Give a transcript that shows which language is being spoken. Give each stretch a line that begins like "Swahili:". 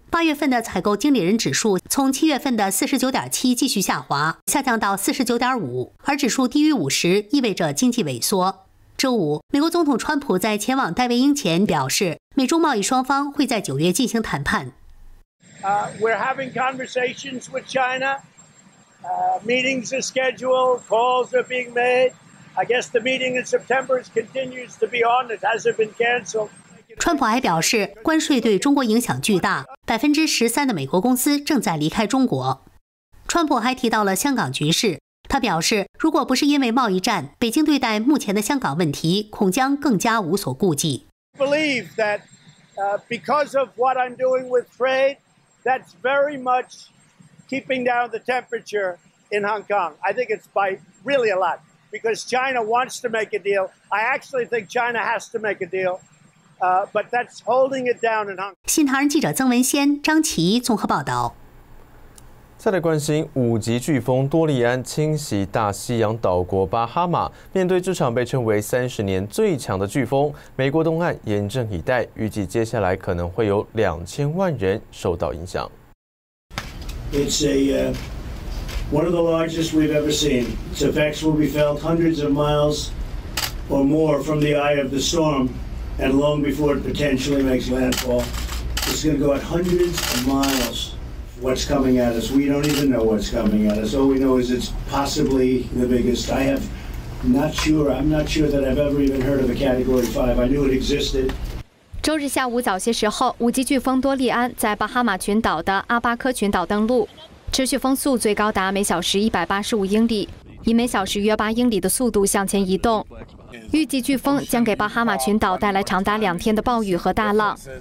Chinese: 8月份的采购经理人指数从7月份的49.7继续下滑，下降到49.5，而指数低于50意味着经济萎缩。周五，美国总统川普在前往戴维营前表示，美中贸易双方会在9月进行谈判。
English: We're having conversations with China. Meetings are scheduled, calls are being made. I guess the meeting in September continues to be on. It hasn't been canceled.
Chinese: 川普还表示，关税对中国影响巨大，13%的美国公司正在离开中国。川普还提到了香港局势，他表示，如果不是因为贸易战，北京对待目前的香港问题恐将更加无所顾忌。
English: Believe that because of what I'm doing with trade, that's very much. Keeping down the temperature in Hong Kong. I think it's by really a lot because China wants to make a deal. I actually think China has to make a deal, but that's holding it down in Hong Kong.
Chinese: 新唐人记者曾文先、张琦综合报道。再来关心五级飓风多利安侵袭大西洋岛国巴哈马，面对这场被称为30年最强的飓风，美国东岸严阵以待，预计接下来可能会有2000万人受到影响。
English: It's a, one of the largest we've ever seen. Its effects will be felt hundreds of miles or more from the eye of the storm and long before it potentially makes landfall. It's going to go out hundreds of miles. What's coming at us? We don't even know what's coming at us. All we know is it's possibly the biggest. I'm not sure that I've ever even heard of a Category 5. I knew it existed.
Chinese: 周日下午早些时候，五级飓风多利安在巴哈马群岛的阿巴科群岛登陆，持续风速最高达每小时185英里，以每小时约8英里的速度向前移动。预计飓风将给巴哈马群岛带来长达2天的暴雨和大浪。